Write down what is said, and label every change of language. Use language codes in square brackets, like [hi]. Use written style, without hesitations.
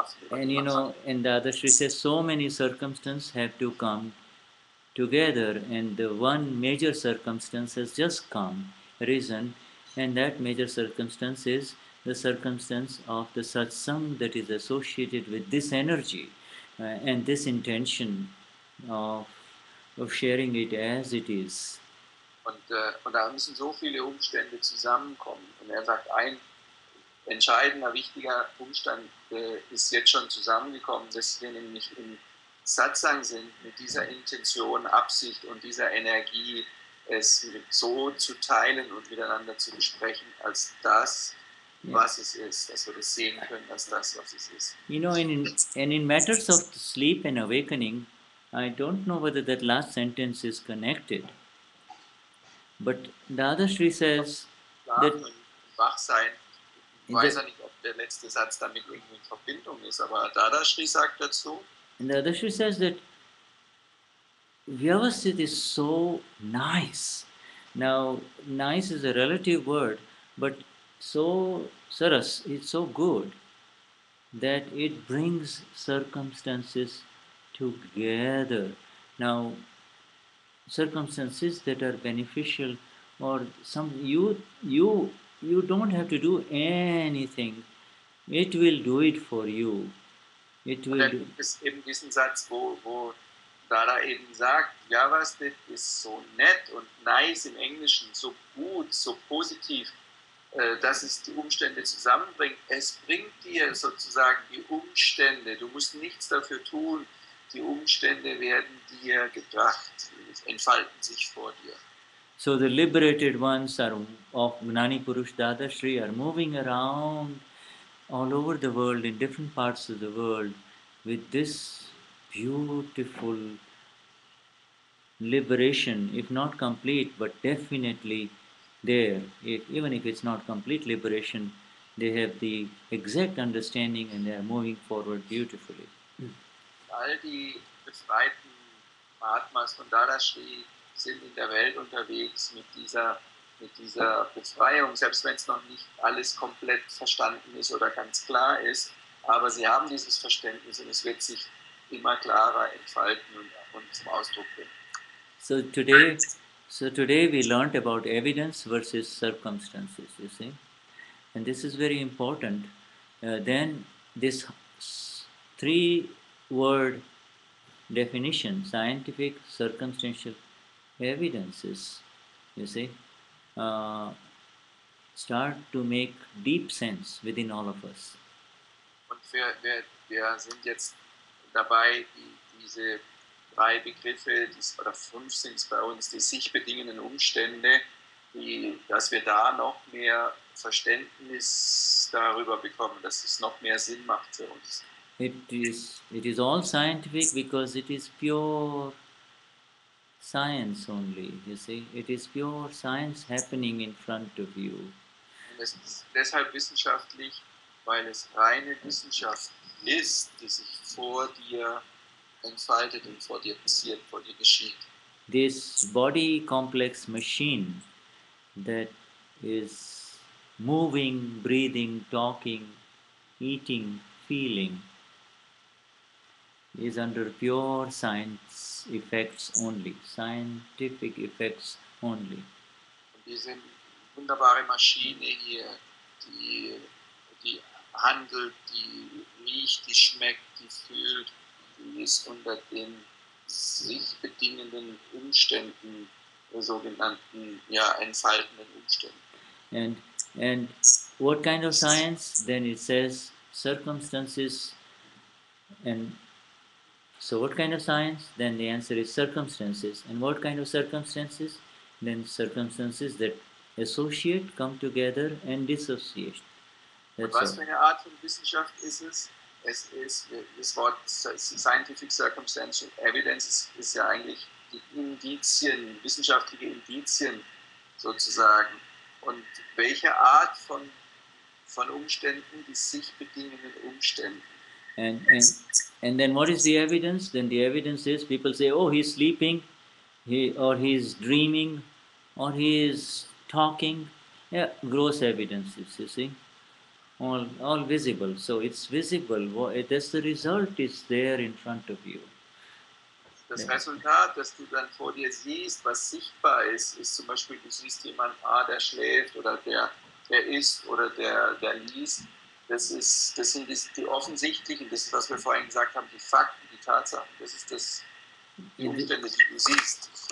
[en] And you know, and Dadashri says so many circumstances have to come together and the one major circumstance has just come, arisen, and that major circumstance is the circumstance of the satsang that is associated with this energy and this intention of sharing it as it is. [de] Und da müssen so viele Umstände zusammenkommen. Und er sagt, ein entscheidender, wichtiger Umstand ist jetzt schon zusammengekommen, dass wir nämlich im Satsang sind, mit dieser Intention, Absicht und dieser Energie, es so zu teilen und miteinander zu besprechen, als das, was es ist, dass wir das sehen können, als das, was es ist. [en] You know, in matters of sleep and awakening, I don't know whether that last sentence is connected. But Dadashri says that [de] Wachsein, ich weiß ja nicht, ob der letzte Satz damit irgendwie in Verbindung ist, aber Dadashri sagt dazu. [en] And Dadashri says that Vyavasthit is so nice. Now, nice is a relative word, but so saras, it's so good that it brings circumstances together. Now, circumstances that are beneficial or some you don't have to do anything, it will do it for you. It will [de] ist eben diesen Satz, wo Dada eben sagt, Vyavasthit ist so nett und nice im Englischen, so gut, so positiv, dass es die Umstände zusammenbringt. Es bringt dir sozusagen die Umstände, du musst nichts dafür tun, die Umstände werden dir gebracht, entfalten sich vor dir. [en] So the liberated ones of Gnani Purush Dadashri are moving around all over the world, in different parts of the world, with this beautiful liberation, if not complete, but definitely there. Even if it's not complete liberation, they have the exact understanding and they are moving forward beautifully. All the [de] befreiten Mahatmas von Dadashri sind in der Welt unterwegs mit dieser Befreiung, selbst wenn es noch nicht alles komplett verstanden ist oder ganz klar ist, aber sie haben dieses Verständnis und es wird sich immer klarer entfalten und zum Ausdruck bringen. [en] So today we learned about evidence versus circumstances, you see, and this is very important. Then this three word definition, scientific, circumstantial, evidences, you see, start to make deep sense within all of us. [de] Und wir sind jetzt dabei, diese drei Begriffe, oder fünf sind es bei uns, die sich bedingenden Umstände, dass wir da noch mehr Verständnis darüber bekommen, dass es noch mehr Sinn macht für uns. [en] It is all scientific because it is pure science only, you see. It is pure science happening in front of you. [de] Und es ist deshalb wissenschaftlich, weil es reine Wissenschaft ist, die sich vor dir entfaltet und vor dir passiert, vor dir geschieht. [en] This body complex machine that is moving, breathing, talking, eating, feeling is under pure science effects only, scientific effects only. [de] Diese wunderbare Maschine hier, die handelt, die riecht, die schmeckt, die fühlt, die ist unter den sich bedingenden Umständen, sogenannten, ja, entfaltenden Umständen. [en] And what kind of science? Then it says circumstances. And so what kind of science? Then the answer is circumstances. And what kind of circumstances? Then circumstances that associate, come together and dissociate. That's [de] was für eine Art von Wissenschaft ist es? Es ist das Wort [en] scientific circumstantial evidence [de] ist ja eigentlich die Indizien, wissenschaftliche Indizien sozusagen. Und welche Art von Umständen, die sich bedingenden Umständen? [en] And then what is the evidence? Then the evidence is people say, oh, he's sleeping, or he's dreaming, or he's talking. Yeah, gross evidences, you see. All visible. So it's visible. That's the result is there in front of you. [de] Das Resultat, das du dann vor dir siehst, was sichtbar ist, ist zum Beispiel, du siehst jemanden, ah, der schläft oder der isst oder der liest. Das sind die offensichtlichen, das ist, was wir vorhin gesagt haben, die Fakten, die Tatsachen. Das ist das, die Umstände, die du siehst.